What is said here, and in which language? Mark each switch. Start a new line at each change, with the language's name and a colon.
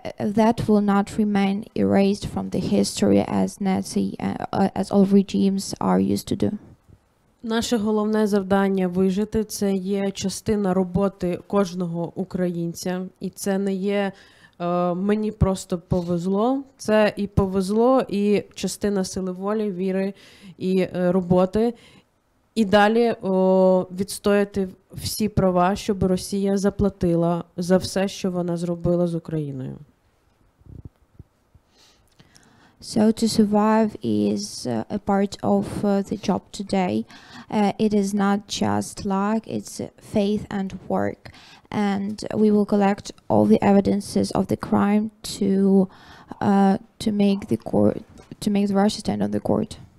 English: That will not remain erased from the history as Nazi as all regimes are used to do.
Ukrainian: Наше головне завдання вижити – це є частина роботи кожного українця. І це не є, мені просто повезло. Це і повезло, і частина сили волі, віри і роботи. І далі відстояти всі права, щоб Росія заплатила за все, що вона зробила з Україною.
English: So to survive is a part of the job today. It is not just luck, it's faith and work. And we will collect all the evidences of the crime to make the Russia stand on the court.